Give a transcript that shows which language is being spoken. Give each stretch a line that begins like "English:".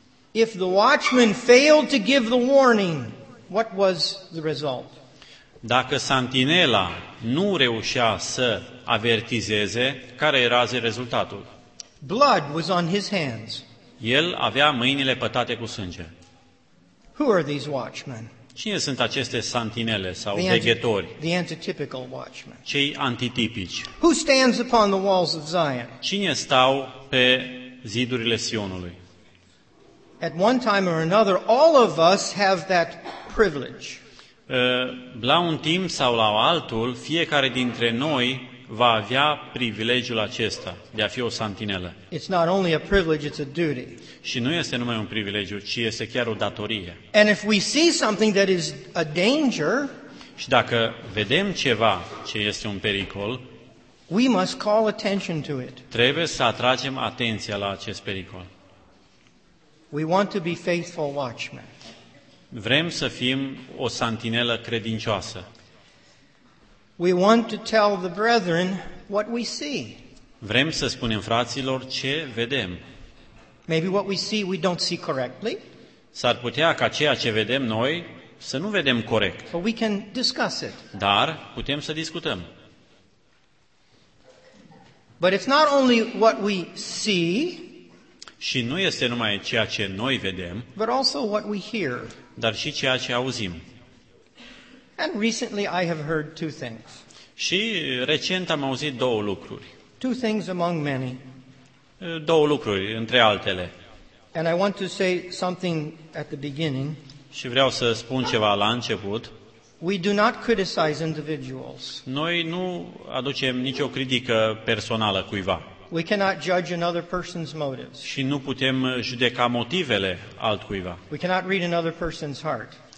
English: If the watchman failed to give the warning, what was the result?
Romanian: Dacă santinela nu reușea să avertizeze, care era rezultatul?
English: Blood was on his hands.
Romanian: El avea mâinile pătate cu sânge.
English: Who are these watchmen?
Romanian: Cine sunt aceste santinele sau veghetori?
English: The antitypical watchmen.
Romanian: Cei antitipici.
English: Who stands upon the walls of Zion?
Romanian: Cine stau pe zidurile Sionului?
English: At one time or another, all of us have that privilege.
Romanian: La un timp sau la altul, fiecare dintre noi va avea privilegiul acesta de a fi o santinelă.
English: It's not only a privilege, it's a duty.
Romanian: Și nu este numai un privilegiu, ci este chiar o datorie.
English: And if we see something that is a danger,
Romanian: și dacă vedem ceva ce este un pericol,
English: we must call attention to it.
Romanian: Trebuie să atragem atenția la acest pericol.
English: We want to be faithful watchmen.
Romanian: Vrem să fim o santinelă credincioasă.
English: We want to tell the brethren what we see.
Romanian: Vrem să spunem fraților ce vedem.
English: Maybe what we see we don't see correctly.
Romanian: S-ar putea ca ceea ce vedem noi să nu vedem corect.
English: But we can discuss it.
Romanian: Dar putem să discutăm.
English: But it's not only what we see.
Romanian: Și nu este numai ceea ce noi vedem,
English: but also what we hear.
Romanian: Dar și ceea ce auzim.
English: And recently I have heard two things.
Romanian: Și recent am auzit două lucruri.
English: Two things among many.
Romanian: Două lucruri între altele.
English: And I want to say something at the beginning.
Romanian: Și vreau să spun ceva la început.
English: We do not criticize individuals.
Romanian: Noi nu aducem nicio critică personală cuiva.
English: We cannot judge another person's motives.
Romanian: Și nu putem judeca motivele altcuiva.
English: We cannot read another person's heart.